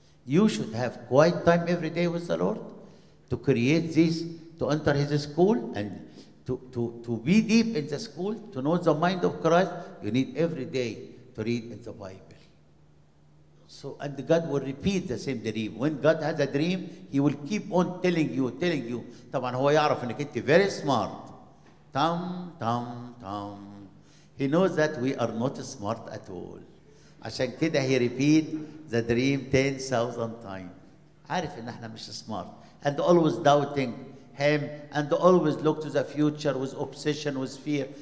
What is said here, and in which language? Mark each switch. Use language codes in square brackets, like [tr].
[en] You should have quiet time every day with the Lord to create this, to enter his school and to be deep in the school, to know the mind of Christ, you need every day to read in the Bible. So, and God will repeat the same dream. When God has a dream, he will keep on telling you. [ar] طبعا هو يعرف انك انت [en] very smart. [ar] Tam. [en] He knows that we are not smart at all. [ar] عشان كده [en] he repeat the dream 10,000 times. [ar] عارف ان احنا مش smart. [en] And always doubting him and always look to the future with obsession, with fear.